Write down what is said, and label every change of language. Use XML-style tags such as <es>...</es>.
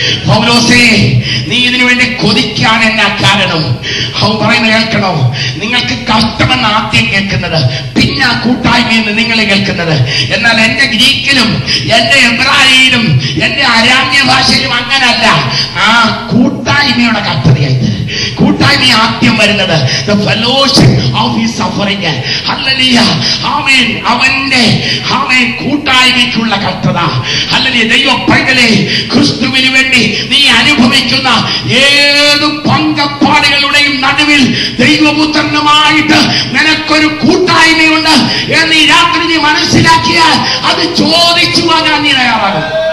<ml>പൗലോസേ, നീ ഇതിനു വേണ്ടി കൊതിക്കാൻ എന്ന കാരണം അവൻ പറയുന്നു, കേൾക്കണോ? നിങ്ങൾക്ക് കഷ്ടമെന്ന് ആദ്യം കേൾക്കുന്നത്, പിന്നെ കൂട്ടായ്മ എന്ന് നിങ്ങൾ കേൾക്കുന്നത്. എന്നാൽ എന്റെ ഗ്രീക്കിലും എന്റെ എബ്രായിലും എന്റെ അരാമ്യ ഭാഷയിലും അങ്ങനല്ല. ആ കൂട്ടായ്മയുടെ കത്തറിയായി കൂട്ടായ്മ ആദ്യം വരുന്നത്.</ml> <en>The fellowship of his suffering. Hallelujah. Amen.</en> <ml>അവന്റെ ആമേൻ കൂട്ടായ്മയ്ക്കുള്ള കത്തറ. Hallelujah. ദൈവപ്രകലെ ക്രിസ്തുവിന് വേണ്ടി നീ അനുഭവിക്കുന്ന ഏത് പങ്കപ്പാടുകളുടെയും നടുവിൽ ദൈവപുത്രനുമായിട്ട് നിനക്കൊരു കൂട്ടായ്മയുണ്ട് എന്ന് ഈ രാത്രി നീ മനസ്സിലാക്കിയാൽ അത് ചോദിച്ചു വാങ്ങാൻ നീ തയ്യാറാകും.</ml>